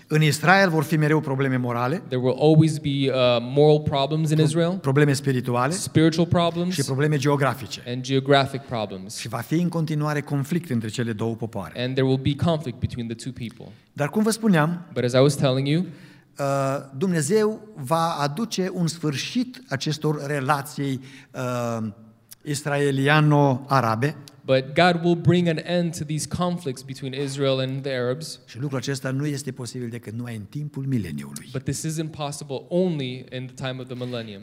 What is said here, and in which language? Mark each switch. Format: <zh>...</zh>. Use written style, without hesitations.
<ro>în Israel vor fi mereu probleme morale.</ro> <en>There will always be moral problems in Israel.</en> <ro>Probleme spirituale.</ro> <en>Spiritual problems.</en> <ro>Și probleme geografice.</ro> <en>And geographic problems.</en> <ro>Și va fi în continuare conflict între cele două popoare.</ro> <en>And there will be conflict between the two people.</en> <ro>Dar cum vă spuneam?</ro> <en>But as I was telling you.</en> <ro>Dumnezeu va aduce un sfârșit acestor relații israeliano-arabe.</ro> <en>But God will bring an end to these conflicts between Israel and the Arabs.</en> <ro>Și lucrul acesta nu este posibil decât numai în timpul mileniului.</ro> <en>But this isn't possible only in the time of the millennium.</en>